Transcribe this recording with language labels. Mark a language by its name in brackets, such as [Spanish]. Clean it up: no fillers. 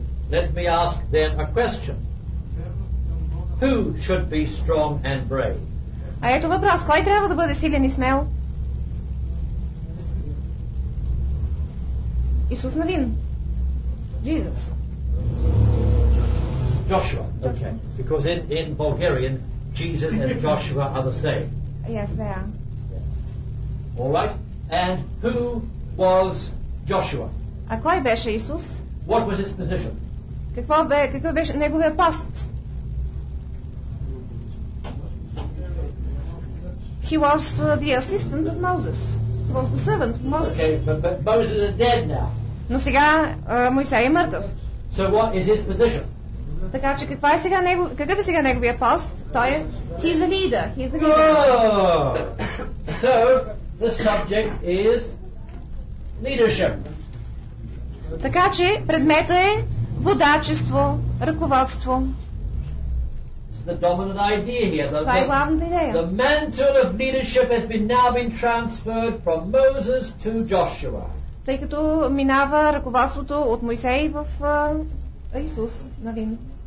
[English] Let me ask them a question. Who should be strong and brave? [Bulgarian] А ето въпрос, кой трябва да бъде силен и смел? Исус Навин. Jesus. [English] Joshua. Okay. Because in Bulgarian, Jesus and Joshua are the same. Yes, they are. All right. And who was Joshua? [Bulgarian] А кой беше Исус? [English] What was his position? [Bulgarian] Какво беше неговия пост? [English] He was the assistant of Moses. He was the servant of Moses. Okay, but Moses is dead now. [Bulgarian] Но сега Моисей е мъртъв. [English] So what is his position? [Bulgarian] Така че каква е сега него, какъв е сега неговия пост? Той е [English] he's a leader. He's a leader. So the subject is leadership. [Bulgarian] Така че предметът е водачество, ръководство. [English] The dominant idea here. [Bulgarian] Това е главната идея. [English] The mantle of leadership has been now been transferred from Moses to Joshua. [Bulgarian] Тъй като минава ръководството от Моисей в Исус Навин.